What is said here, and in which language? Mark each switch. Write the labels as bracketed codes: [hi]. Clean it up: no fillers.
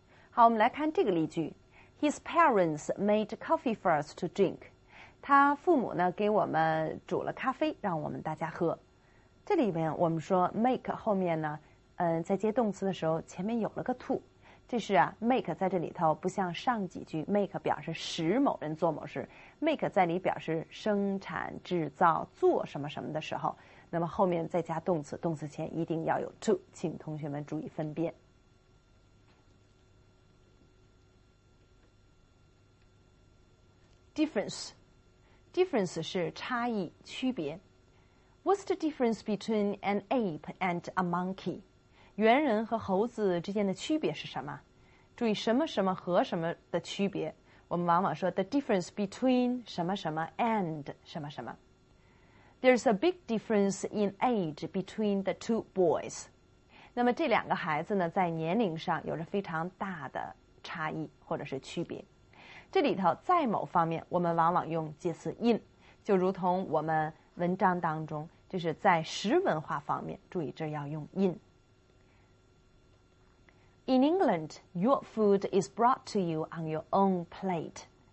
[zh] 好我们来看这个例句 [en] His parents made coffee for us to drink [zh] 他父母呢给我们煮了咖啡让我们大家喝这里面我们说 make 后面呢在接动词的时候前面有了个 to 这是啊 make 在这里头不像上几句 make 表示使某人做某事 make 在里表示生产制造做什么什么的时候那么后面再加动词，动词前一定要有 to， 请同学们注意分辨。 Difference 是差异、区别。 [en] What's the difference between an ape and a monkey？ [zh] 猿人和猴子之间的区别是什么？注意什么什么和什么的区别。我们往往说 [en] the difference between [zh] 什么什么 [en] and [zh] 什么什么。 [en] There's a big difference in age between the two boys. [zh] 那么这两个孩子呢在年龄上有着非常大的差异或者是区别。这里头在某方面我们往往用介词 in, 就如同我们文章当中就是在食文化方面注意这要用 in. [en] In England, your food is brought to you on your own plate.